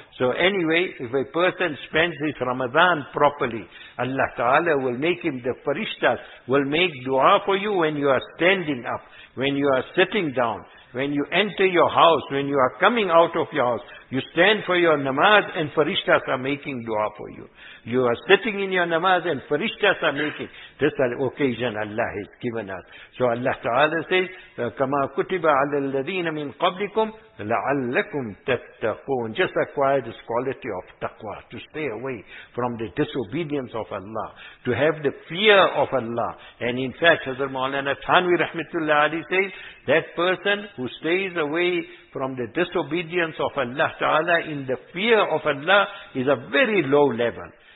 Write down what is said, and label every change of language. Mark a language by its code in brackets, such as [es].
[en] So anyway, if a person spends his Ramadan properly, Allah Ta'ala will make him, the farishtas will make dua for you when you are standing up, when you are sitting down, when you enter your house, when you are coming out of your house, you stand for your namaz and farishtas are making dua for you. You are sitting in your namaz and farishtas are making. This occasion Allah has given us. So Allah Ta'ala says, [ar] كَمَا كُتِبَ عَلَى الَّذِينَ مِنْ قَبْلِكُمْ لَعَلَّكُمْ تَتَّقُونَ. [en] Just acquire this quality of taqwa, to stay away from the disobedience of Allah, to have the fear of Allah. And in fact, Hazrat Mawlana Thanvi Rahmatullah Ali says, that person who stays away from the disobedience of Allah Ta'ala in the fear of Allah is a very low level.